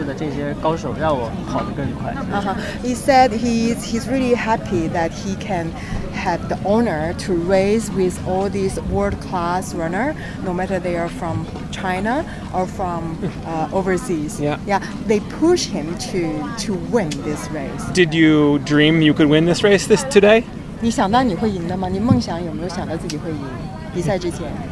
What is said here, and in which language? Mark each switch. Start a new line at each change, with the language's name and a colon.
Chinese: 真的非常棒，因为这个比赛里面有国内的选手有高手阎龙飞啊，还有梁晶，去年几乎是拿了冠军的梁晶，然后最后你赢了，所以你真的很棒。对，现在就是能拿到这个冠军，我是很开心，但是我还是感谢我的对手，然后就是国内国际的这些高手让我跑得更快。
English: He said he's really happy that he can had the honor to race with all these world-class runners, no matter they are from China or from overseas. Yeah, they push him to win this race. Did you dream you could win this race this today?
Chinese: 你想到你会赢的吗？你梦想有没有想到自己会赢？比赛之前。